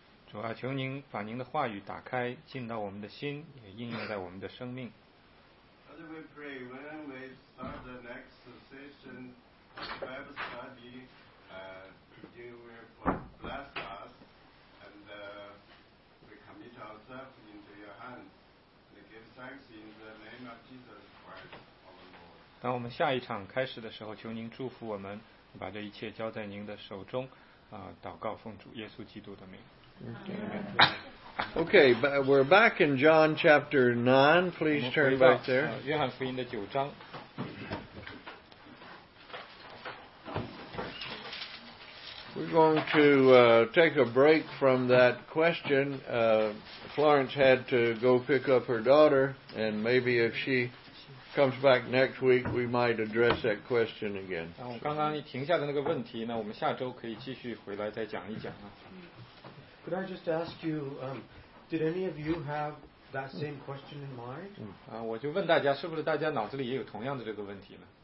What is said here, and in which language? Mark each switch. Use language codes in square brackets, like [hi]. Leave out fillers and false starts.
[zh] 主啊，求您把您的话语打开，进到我们的心，也应用在我们的生命。 [en] Father, we pray when we start the next session of Bible study, you will bless us, and we commit ourselves into your hands, and give thanks in the name of Jesus Christ, our Lord. [zh] 当我们下一场开始的时候，求您祝福我们，把这一切交在您的手中。祷告奉主耶稣基督的名。 [en] Okay, but we're back in John chapter 9. Please turn back there. [zh] 约翰福音的九章。 [en] We're going to take a break from that question. Florence had to go pick up her daughter, and maybe if she comes back next week, we might address that question again. [zh] 那我刚刚停下的那个问题呢，我们下周可以继续回来再讲一讲啊。 [en] Could I just ask you, did any of you have that same question in mind? [zh] 啊，我就问大家，是不是大家脑子里也有同样的这个问题呢